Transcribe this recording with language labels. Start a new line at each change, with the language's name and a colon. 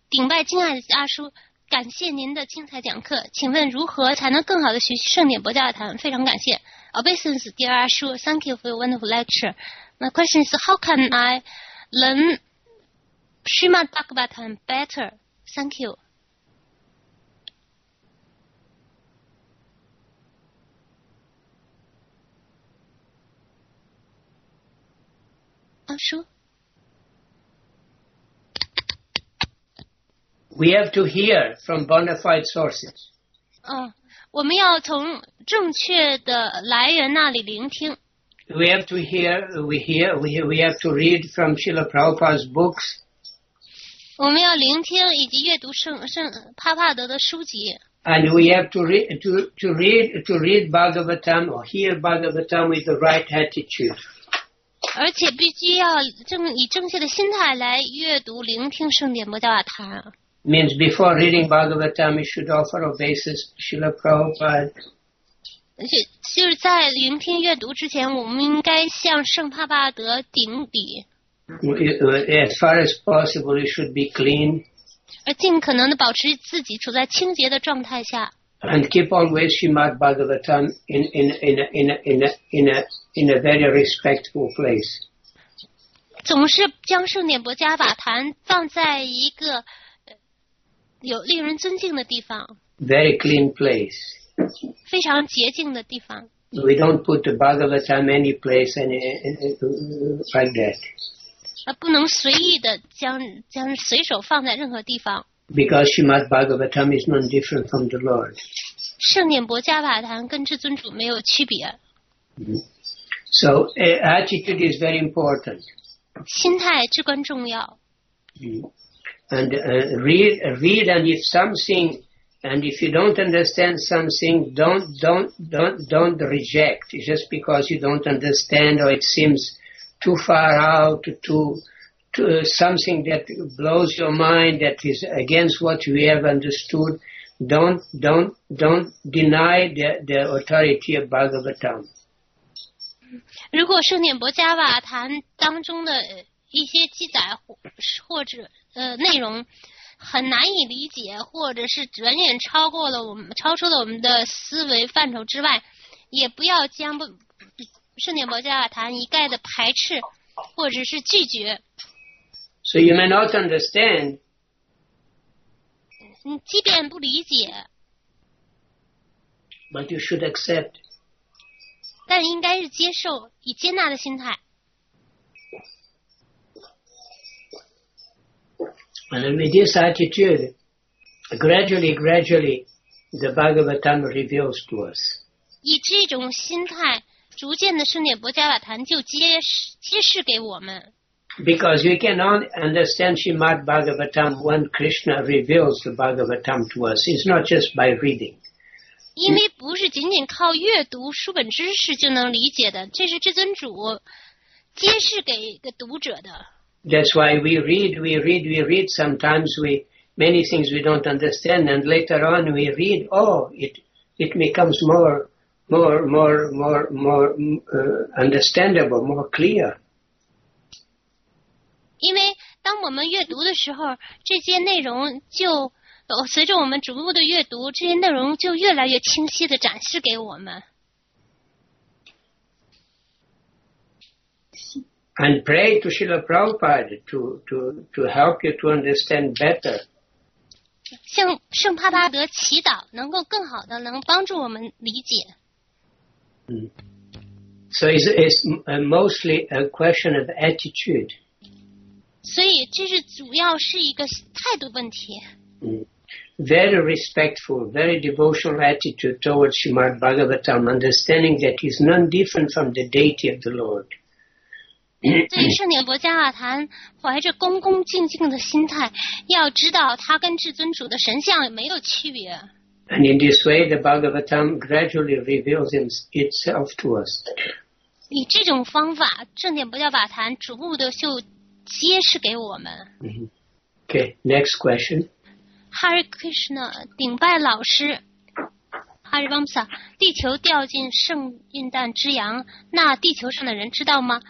Chinese: 顶拜敬爱的阿叔，感谢您的精彩讲课，请问如何才能更好的学习圣典博迦瓦坛？非常感谢。
English: Obeisance, dear 阿叔， thank you for your wonderful lecture. My question is, how can I learn Srimad Bhagavatam better? Thank you. We have to hear from bona fide sources. We have to hear, we have to read from Srila Prabhupada's books. And we have to read Bhagavatam or hear Bhagavatam with the right attitude.
Chinese: 而且必须要以正确的心态来阅读聆听圣典摩迦瓦坛。
English: Means before reading Bhagavatam, you should offer obeisance to Srila Prabhupada.
Chinese: 就是在聆听阅读之前，我们应该向圣帕帕德顶礼。
English: As far as possible, you should be clean.
Chinese: 而尽可能的保持自己处在清洁的状态下。
English: And keep always Srimad Bhagavatam in a very respectful place.
Chinese: 总是将圣典博迦瓦坛放在一个有令人尊敬的地方。
English: Very clean place.
Chinese: 非常洁净的地方。
English: We don't put the Bhagavatam any place like that.
Chinese: 不能随意的将随手放在任何地方。
English: Because Srimad Bhagavatam is none different from the Lord.
Chinese: 圣典博迦瓦坛跟至尊主没有区别。
English: So, attitude is very important.
Chinese: 心态至关重要。
English: And read, and if something, and if you don't understand something, don't reject just because you don't understand or it seems too far out, something that blows your mind, that is against what we have understood, don't deny the authority of Bhagavatam.
Chinese: 如果圣典博迦瓦坛当中的一些记载或者内容很难以理解，或者是远远超出了我们的思维范畴之外，也不要将圣典博迦瓦坛一概的排斥或者是拒绝。
English: So you may not understand.
Chinese: 即便不理解。
English: But you should accept.
Chinese: 但应该是接受，以接纳的心态。
English: And with this attitude, gradually, the Bhagavatam reveals to us.
Chinese: 以这种心态，逐渐的圣典博迦瓦坛就揭示给我们。
English: Because we cannot understand Srimad Bhagavatam when Krishna reveals the Bhagavatam to us. It's not just by reading.
Chinese: 因为不是仅仅靠阅读书本知识就能理解的，这是至尊主揭示给读者的。
English: That's why we read sometimes many things we don't understand, and later on we read, it becomes more understandable, more clear.
Chinese: 因为当我们阅读的时候，这些内容就随着我们逐步的阅读，这些内容就越来越清晰地展示给我们。
English: And pray to Srila Prabhupada to help you to understand better.
Chinese: 向圣帕巴德祈祷，能够更好的能帮助我们理解。
English: So it's mostly a question of attitude.
Chinese: 所以这是主要是一个态度问题。
English: Very respectful, very devotional attitude towards Srimad Bhagavatam, understanding that he's none different from the deity of the Lord.
Chinese: 对圣典博迦瓦坛怀着恭恭敬敬的心态，要知道他跟至尊主的神像没有区别。
English: And in this way, the Bhagavatam gradually reveals itself to us.
Chinese: 以这种方法，圣典博迦瓦坛逐步的就揭示给我们。
English: Okay, next question.
Chinese: Hare Krishna, 顶拜老师。Arivamsa, 地球掉进圣印旦之洋，那地球上的人知道吗？